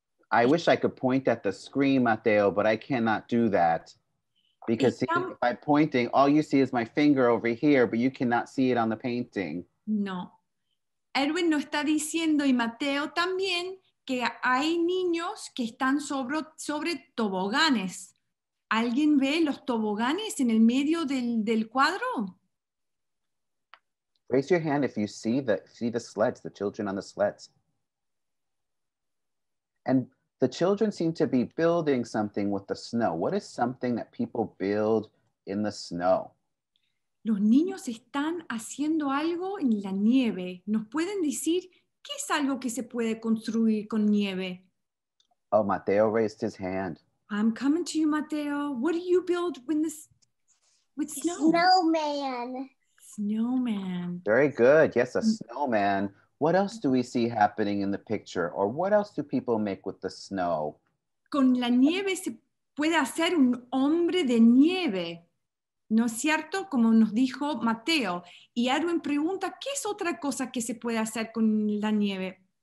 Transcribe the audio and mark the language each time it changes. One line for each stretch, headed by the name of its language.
English: I wish I could point at the screen, Mateo, but I cannot do that. Because by pointing, all you see is my finger over here, but you cannot see it on the painting. No.
Spanish: Edwin no está diciendo, y Mateo también, que hay niños que están sobre toboganes. ¿Alguien ve los toboganes en el medio del cuadro?
English: Raise your hand if you see the sleds, the children on the sleds. And the children seem to be building something with the snow. What is something that people build in the snow?
Spanish: Los niños están haciendo algo en la nieve. ¿Nos pueden decir qué es algo que se puede construir con nieve?
English: Oh, Mateo raised his hand. I'm coming to you, Mateo. What do you build with snow? Snowman. Snowman. Very good. Yes, a snowman. What else do we see happening in the picture? Or what else do people make with the snow?
Spanish: Con la nieve se puede hacer un hombre de nieve. ¿No es cierto? Como nos dijo Mateo. Y Edwin pregunta, ¿qué es otra cosa que se puede hacer con la nieve?